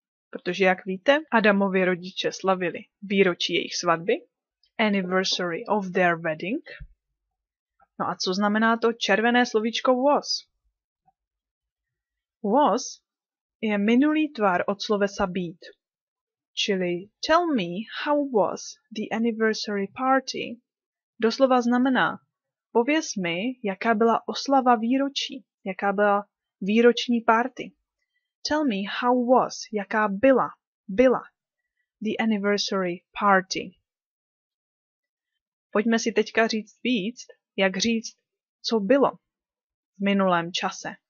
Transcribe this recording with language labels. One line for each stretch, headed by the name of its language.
Czech: Protože, jak víte, Adamovi rodiče slavili výročí jejich svatby.
English: Anniversary of their wedding.
Czech: No a co znamená to červené slovíčko was? Was je minulý tvar od slovesa být.
English: Čili tell me how was the anniversary party
Czech: doslova znamená pověz mi, jaká byla oslava výročí, jaká byla výroční party.
English: Tell me how was,
Czech: jaká byla
English: the anniversary party.
Czech: Pojďme si teďka říct víc, jak říct, co bylo v minulém čase.